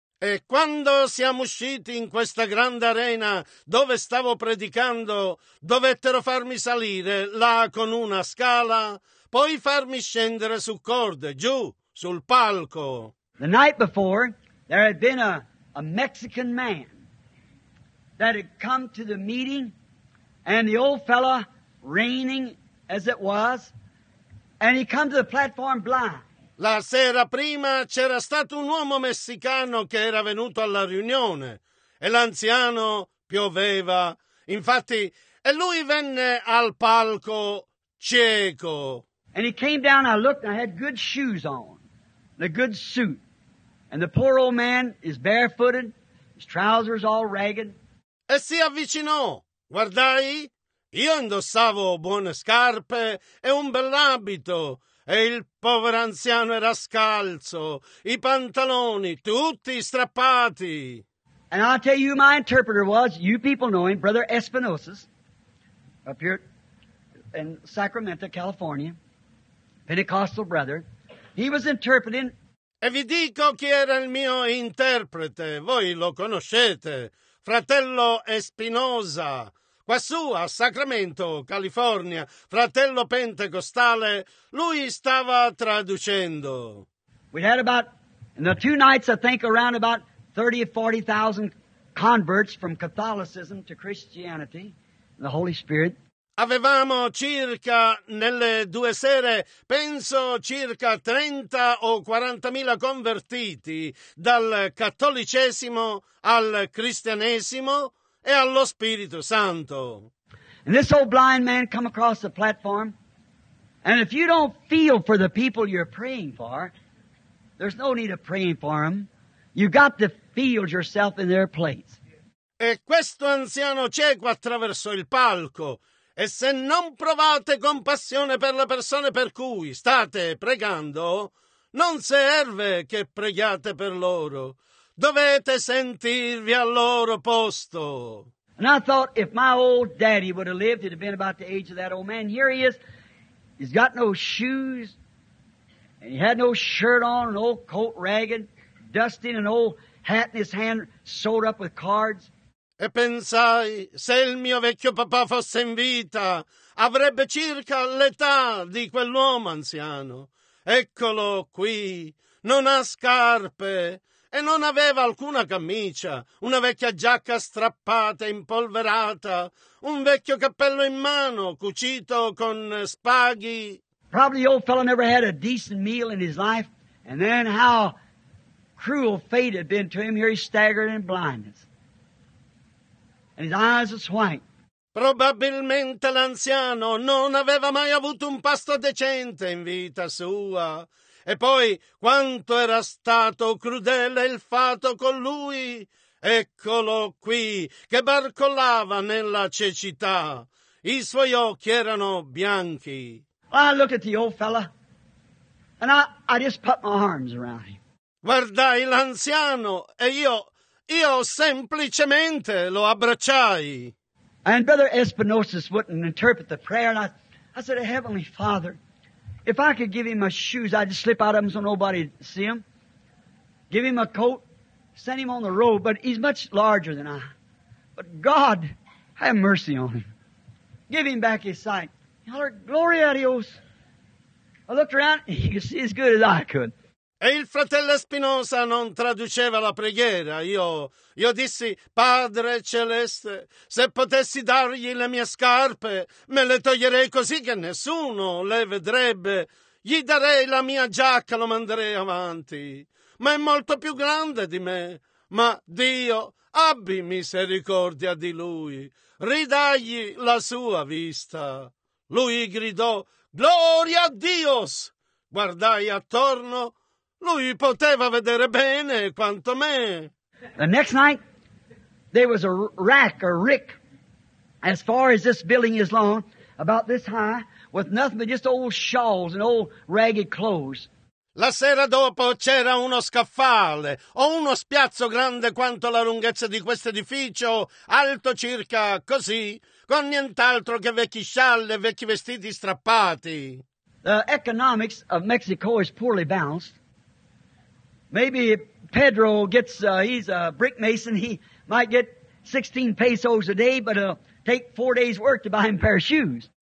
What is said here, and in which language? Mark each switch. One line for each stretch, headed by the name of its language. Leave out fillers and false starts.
Italian: E quando siamo usciti in questa grande arena dove stavo predicando, dovettero farmi salire là con una scala, poi farmi scendere su corde, giù, sul palco.
English: The night before, there had been a Mexican man that had come to the meeting, and the old fella, raining as it was, and he come to the platform blind.
Italian: La sera prima c'era stato un uomo messicano che era venuto alla riunione e l'anziano pioveva. Infatti, e lui venne al palco cieco.
English: And he came down, I looked, and I had good shoes on, a good suit. And the poor old man is barefooted, his trousers all ragged.
Italian: E si avvicinò, guardai. Io indossavo buone scarpe e un bell'abito, e il povero anziano era scalzo, i pantaloni tutti strappati.
English: And I'll tell you who my interpreter was, you people know him, Brother Espinosa, up here in Sacramento, California, Pentecostal brother. He was interpreting.
Italian: E vi dico chi era il mio interprete, voi lo conoscete, Fratello Espinosa. Quassù a Sacramento, California, fratello pentecostale, lui stava traducendo.
English: We had about, in the 2 nights, I think, around about 30,000 or 40,000 converts from Catholicism to Christianity, the Holy Spirit.
Italian: Avevamo circa, nelle 2 sere, penso circa 30 o 40 mila convertiti dal cattolicesimo al cristianesimo. E allo Spirito Santo.
English: And this old blind man come across the platform, and if you don't feel for the people you're praying for, there's no need of praying for them. You've got to feel yourself in their place.
Italian: E questo anziano cieco attraversò il palco, e se non provate compassione per le persone per cui state pregando, non serve che preghiate per loro. Dovete sentirvi al loro posto.
English: And I thought, if my old daddy would have lived, he'd have been about the age of that old man. Here he is. He's got no shoes, and he had no shirt on, an old coat ragged, dusty, and an old hat in his hand sewed up with cards.
Italian: E pensai, se il mio vecchio papà fosse in vita, avrebbe circa l'età di quell'uomo anziano. Eccolo qui, non ha scarpe. E non aveva alcuna camicia, una vecchia giacca strappata e impolverata, un vecchio cappello in mano, cucito con spaghi.
English: Probably the old fellow never had a decent meal in his life, and then how cruel fate had been to him, here he staggered in blindness. And his eyes was white.
Italian: Probabilmente l'anziano non aveva mai avuto un pasto decente in vita sua. E poi, quanto era stato crudele il fatto con lui. Eccolo qui, che barcollava nella cecità. I suoi occhi erano bianchi.
English: I looked at the old fella, and I just put my arms around him.
Italian: Guardai l'anziano, e io semplicemente lo abbracciai.
English: And Brother Espinosa wouldn't interpret the prayer, and I said, Heavenly Father, if I could give him my shoes, I'd just slip out of them so nobody'd see him. Give him a coat, send him on the road, but he's much larger than I. But God, have mercy on him. Give him back his sight. He hollered,
Spanish: Gloria a Dios.
English: I looked around, and he could see as good as I could.
Italian: E il fratello Espinosa non traduceva la preghiera. Io dissi, Padre Celeste, se potessi dargli le mie scarpe, me le toglierei così che nessuno le vedrebbe. gli darei la mia giacca, lo manderei avanti, ma è molto più grande di me. Ma Dio, abbi misericordia di lui, ridagli la sua vista. Lui gridò,
Spanish: gloria a Dios!
Italian: Guardai attorno, lui poteva vedere bene quanto me.
English: The next night, there was a rack, a rick, as far as this building is long, about this high, with nothing but just old shawls and old ragged clothes.
Italian: La sera dopo c'era uno scaffale o uno spiazzo grande quanto la lunghezza di questo edificio, alto circa così, con nient'altro che vecchi scialli e vecchi vestiti strappati.
English: The economics of Mexico is poorly balanced. Maybe Pedro gets, he's a brick mason, he might get 16 pesos a day, but it'll take 4 days' work to buy him a pair of shoes.